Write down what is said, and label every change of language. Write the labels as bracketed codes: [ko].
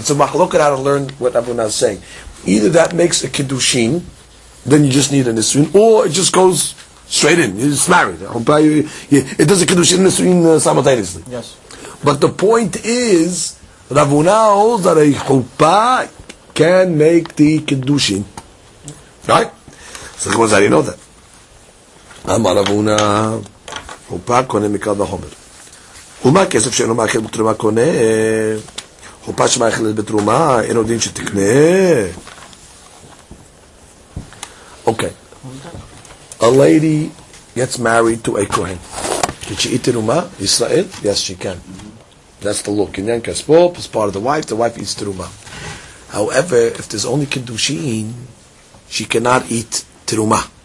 [en] So look at how to learn what Rav Huna is saying. Either that makes a kiddushin, then you just need a nisuin, or it just goes straight in, it's married. Chupa, it does a kiddushin and nisuin simultaneously. Yes. But the point is, Rav Huna holds that a chupa can make the kiddushin. Right? So how do you know that? [he] אמר רב הונא, חופה קונה מקל וחומר. ומה כסף שאינו מאכל בתרומה קונה? חופה שמאכלת בתרומה, אין עוד דין שתקנה. אוקיי. [en] A lady gets married to a Kohen. Did she eat תרומה? ישראל? Yes, she can. That's the law. קניין כספו, it's part of the wife eats תרומה. However, if there's only קידושין, she cannot eat תרומה.